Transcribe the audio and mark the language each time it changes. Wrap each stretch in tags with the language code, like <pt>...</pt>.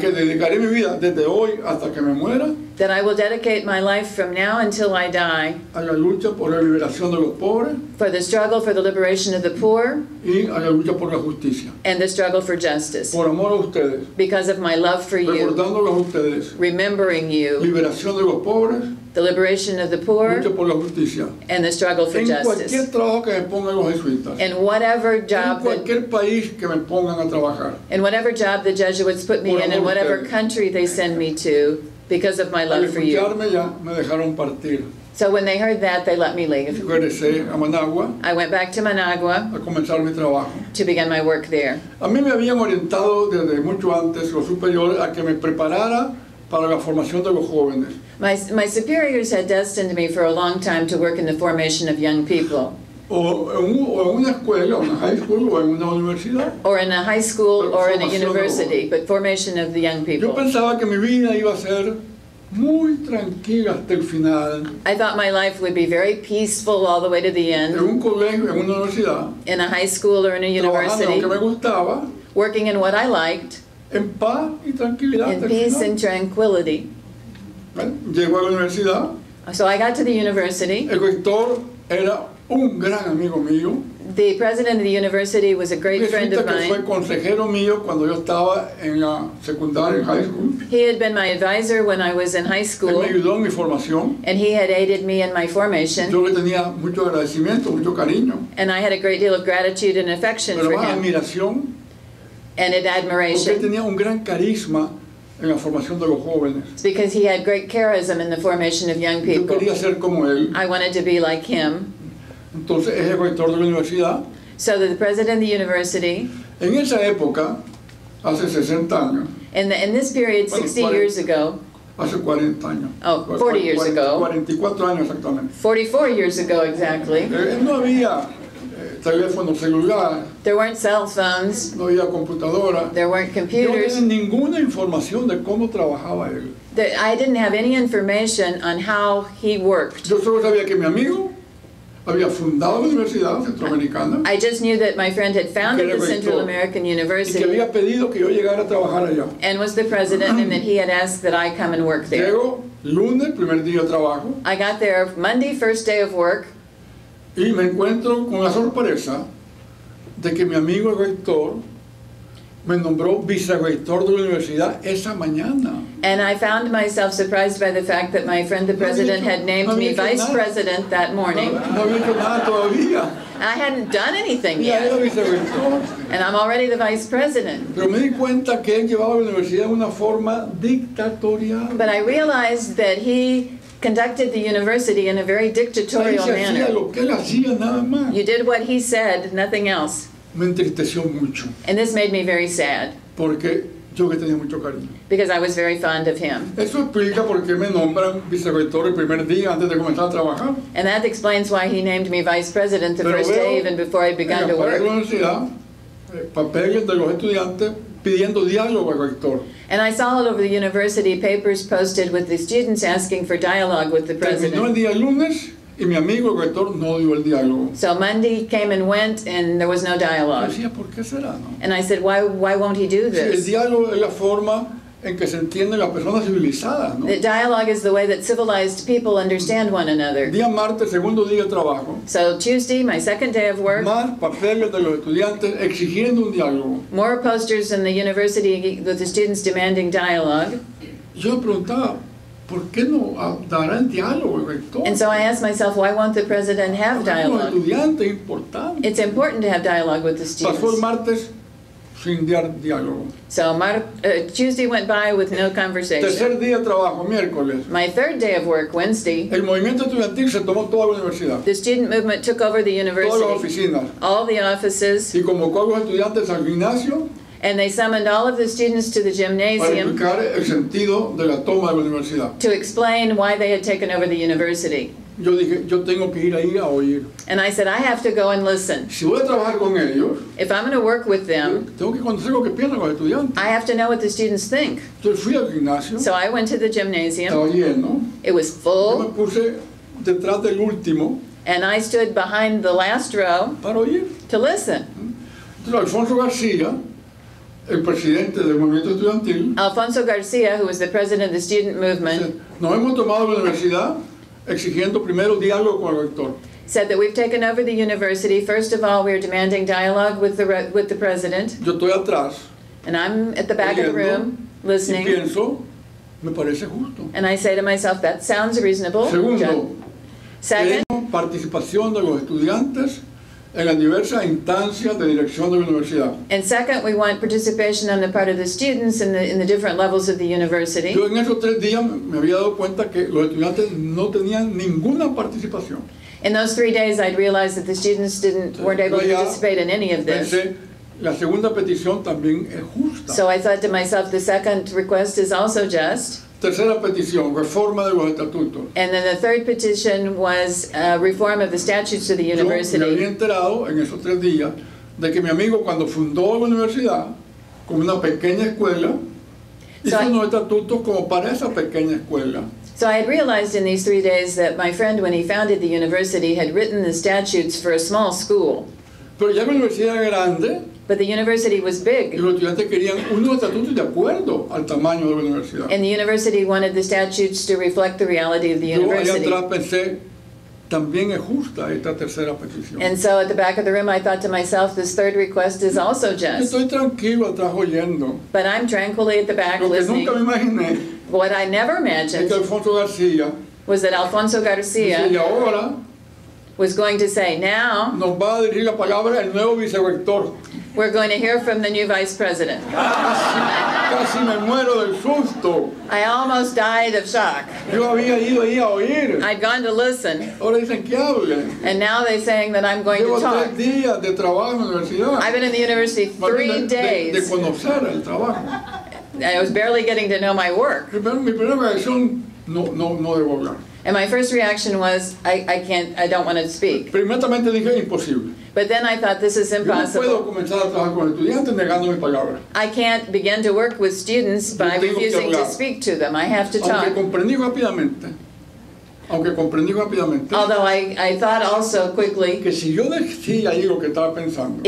<es>De que dedicaré mi vida desde hoy hasta que me muera.</es> <en>That I will dedicate my life from now until I die.</en> <es>A la lucha por la liberación de los pobres.</es> <en>For the struggle for the liberation of the poor.</en> <es>Y a la lucha por la justicia.</es> <en>And the struggle for justice.</en> <es>Por amor a ustedes.</es> <en>Because of my love for you.</en> <es>Recordándolos a ustedes.</es> <en>Remembering you.</en> <es>Liberación de los pobres.</es> <en>The liberation of the poor.</en> <es>Lucha por la justicia.</es> <en>And the struggle for</en> <es>en</es> <en>justice.</en> <es>En cualquier trabajo que me pongan los jesuitas.</es> <en>And whatever job.</en> <es>En cualquier país que me pongan a trabajar.</es> <en>And whatever job the Jesuits put me in, and whatever country they send me to. Because of my love for you.</en> <es>Ya, me dejaron partir.</es> <en>So when they heard that, they let me leave.</en> <es>Regresé a Managua.</es> <en>I went back to Managua.</en> <es>A comenzar mi trabajo.</es> <en>To begin my work there.</en> <es>A mí me habían orientado desde mucho antes los superiores a que me preparara para la formación de los jóvenes.</es> <en>My superiors had destined me for a long time to work in the formation of young people.</en> <es>O en una escuela, una</es> <en>high school,</en> <es>o en una universidad.</es> <en>Or in a high school or in a university, but formation of the young people.</en> <es>Yo pensaba que mi vida iba a ser muy tranquila hasta el final.</es> <en>I thought my life would be very peaceful all the way to the end.</en> <es>En un colegio, en una universidad.</es> <en>In a high school or in a university.</en> <es>Trabajando en lo que me gustaba.</es> <en>Working in what I liked.</en> <es>En paz y tranquilidad hasta el final.</es> <en>In peace and tranquility.</en> <es>Llego a la universidad.</es> <en>So I got to the university.</en> <es>El rector era un gran amigo mío.</es> <en>The president of the university was a great friend of mine.</en> <es>Fue consejero mío cuando yo estaba en la secundaria, en</es> <en>high school. He had been my advisor when I was in high school.</en> <es>Él me ayudó en mi formación.</es> <en>And he had aided me in my formation.</en> <es>Yo le tenía mucho agradecimiento, mucho cariño.</es> <en>And I had a great deal of gratitude and affection</en> <es>pero</es> <en>for him.</en> <es>Admiración.</es> <en>And an admiration.</en> <es>Porque tenía un gran carisma en la formación de los jóvenes.</es> <en>It's because he had great charism in the formation of young people.</en> <es>Yo quería ser como él.</es> <en>I wanted to be like him.</en> <es>Entonces es el rector de la universidad.</es> <en>So the president of the university.</en> <es>En esa época, hace 60 años.</es> <en>In this period,</en> <es>bueno,</es> <en>60 years ago.</en> <es>Hace 40 años.</es> <en>Oh, 40 years ago.</en> <es>44 años exactamente.</es> <en>44 years ago exactly.</en> <es>No había teléfono celular.</es> <en>There weren't cell phones.</en> <es>No había computadora.</es> <en>There weren't computers.</en> <es>No tenía ninguna información de cómo trabajaba él.</es> <en>I didn't have any information on how he worked.</en> <es>Yo solo sabía que mi amigo había fundado la Universidad Centroamericana.</es> <en>I just knew that my friend had founded the Central American University.</en> <es>Y que había pedido que yo llegara a trabajar allá.</es> <en>And was the president, and that he had asked that I come and work there.</en> <es>Llego lunes, primer día de trabajo.</es> <en>I got there Monday, first day of work.</en> <es>Y me encuentro con la sorpresa de que mi amigo el rector me nombró vicerrector de la universidad esa mañana.</es> <en>And I found myself surprised by the fact that my friend the president</en> <es>no</es> <en>had named</en> <es>no</es> <en>me vice</en> <es>nada.</es> <en>President that morning.</en> <es>No había hecho nada todavía.</es> <en>I hadn't done anything yet.</en> <es>Ya era vicerrector.</es> <en>And I'm already the vice president.</en> <es>Pero me di cuenta que él llevaba la universidad de una forma dictatorial.</es> <en>But I realized that he conducted the university in a very dictatorial</en> <es>él</es> <en>manner.</en> <es>Hacía lo que él hacía, nada más.</es> <en>You did what he said, nothing else.</en> <es>Me entristeció mucho.</es> <en>And this made me very sad.</en> <es>Porque yo que tenía mucho cariño.</es> <en>Because I was very fond of him.</en> <es>Eso explica por qué me nombran vicerrector el primer día antes de comenzar a trabajar.</es> <en>And that explains why he named me vice president the</en> <es>pero</es> <en>first day even before I began to work.</en> <es>Pero veo en la universidad papeles de los estudiantes pidiendo diálogo al rector.</es> <en>And I saw all over the university papers posted with the students asking for dialogue with the president.</en> <es>Terminó el día lunes y mi amigo el rector no dio el diálogo.</es> <en>So Monday came and went and there was no dialogue.</en> <es>Decía, ¿por qué será, no?</es> <en>And I said, why won't he do this?</en> <es>Sí, el diálogo es la forma en que se entiende la persona civilizada, ¿no?</es> <en>The dialogue is the way that civilized people understand one another.</en> <es>Día martes, segundo día de trabajo.</es> <en>So Tuesday, my second day of work.</en> <es>Más papeles de los estudiantes exigiendo un diálogo.</es> <en>More posters in the university with the students demanding dialogue.</en> <es>Yo preguntaba, ¿Por qué no darán diálogo, rector?</es> <en>And so I asked myself, why won't the president have dialogue?</en> <es>Porque un estudiante importante.</es> <en>It's important to have dialogue with the students.</en> <es>Pasó el martes sin diálogo.</es> <en>So Tuesday went by with no conversation.</en> <es>Tercer día de trabajo, miércoles.</es> <en>My third day of work, Wednesday.</en> <es>El movimiento estudiantil se tomó toda la universidad.</es> <en>The student movement took over the university.</en> <es>Todas las oficinas.</es> <en>All the offices.</en> <es>Y convocó a los estudiantes al gimnasio.</es> <en>And they summoned all of the students to the gymnasium to explain why they had taken over the university.</en> <es>Yo dije, yo tengo que ir ahí a oír.</es> <en>And I said, I have to go and listen.</en> <es>Si voy a trabajar con ellos,</es> <en>if I'm going to work with them,</en> <es>tengo que conocer lo que piensan los estudiantes.</es> <en>I have to know what the students think.</en> <es>Entonces fui al gimnasio.</es> <en>So I went to the gymnasium.</en> <es>Estaba lleno.</es> <en>It was full.</en> <es>Yo me puse detrás del último.</es> <en>And I stood behind the last row</en> <es>para oír.</es> <en>To listen.</en> <es>Entonces, Alfonso García, el presidente del movimiento estudiantil,</es> <en>Alfonso García, who was the president of the student movement,</en> <es>nos hemos tomado la universidad exigiendo primero diálogo con el rector.</es> <en>Said that we've taken over the university. First of all, we're demanding dialogue with the president.</en> <es>Yo estoy atrás.</es> <en>And I'm at the back of the room, listening.</en> <es>Y pienso, me parece justo.</es> <en>And I say to myself, that sounds reasonable.</en> <es>Segundo,</es> <en>second,</en> <es>participación de los estudiantes en las diversas instancias de dirección de la universidad.</es> <en>And second, we want participation on the part of the students in the different levels of the university.</en> <es>Yo en esos tres días me había dado cuenta que los estudiantes no tenían ninguna participación.</es> <en>In those 3 days, I'd realized that the students weren't able to participate in any of this.</en> <es>Pensé, la segunda petición también es justa.</es> <en>So I thought to myself, the second request is also just.</en> <es>Tercera petición, reforma de los estatutos.</es> <en>And then the third petition was a reform of the statutes of the university.</en> <es>Yo me había enterado en esos 3 días de que mi amigo cuando fundó la universidad como una pequeña escuela hizo unos estatutos como para esa pequeña escuela.</es> <en>So I had realized in these 3 days that my friend when he founded the university had written the statutes for a small school.</en> <es>Pero ya la universidad era grande.</es> <en>But the university was big.</en> <es>Y los estudiantes querían unos estatutos de acuerdo al tamaño de la universidad.</es> <en>And the university wanted the statutes to reflect the reality of the university.</en> <es>Yo allá atrás pensé, también es justa esta tercera petición.</es> <en>And so at the back of the room I thought to myself, this third request is also just.</en> <es>Estoy tranquilo atrás oyendo.</es> <en>But I'm tranquilly at the back listening.</en> <es>Lo que nunca me imaginé.</es> <en>What I never imagined.</en> <es>Es que Alfonso García.</es> <en>Was that Alfonso García.</en> <es>Y ahora.</es> <en>Was going to say, now.</en> <es>Nos va a dirigir la palabra el nuevo vicerrector.</es> <en>We're going to hear from the new vice president.</en> <es>Casi me muero del susto.</es> <en>I almost died of shock.</en> <es>Yo había ido ahí a oír.</es> <en>I'd gone to listen.</en> <es>Ahora dicen que hable.</es> <en>And now they're saying that I'm going</en> <es>Llevo</es> <en>to talk.</en> <es>Llevo 3 días de trabajo en la universidad.</es> <en>I've been in the university 3 days.</en> <es>De conocer el trabajo.</es> <en>I was barely getting to know my work.</en> <es>Mi primera reacción, no debo hablar.</es> <en>And my first reaction was, I don't want to speak.</en> <es>Primeramente dije, imposible.</es> <en>But then I thought, this is impossible.</en> <es>Yo no puedo comenzar a trabajar con estudiantes negando mi palabra.</es> <en>I can't begin to work with students by refusing to speak to them. I have to talk.</en> <es>Aunque comprendí rápidamente.</es> <en>Although I thought also quickly.</en> <es>Que si yo decía ahí lo que estaba pensando.</es>